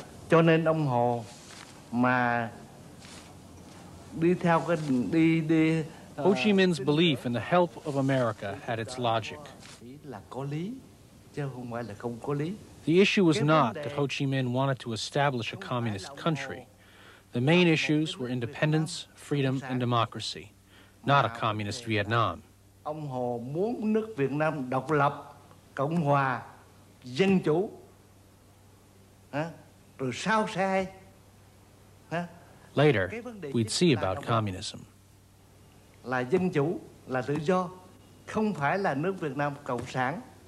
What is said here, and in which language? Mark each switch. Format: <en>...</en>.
<vi>Cho nên ông Hồ mà đi theo cái đi đi</vi> <en>Ho Chi Minh's belief in the help of America had its logic.</en> <vi>Là có lý, chứ không phải là không có lý.</vi> <en>The issue was not that Ho Chi Minh wanted to establish a communist country. The main issues were independence, freedom, and democracy, not a communist Vietnam.</en> <vi>Ông Hồ muốn nước Việt Nam độc lập, cộng hòa, dân chủ. Rồi sao sai?</vi> <en>Later, we'd see about communism.</en> <vi>Là dân chủ, là tự do, không phải là nước Việt Nam cộng sản.</vi>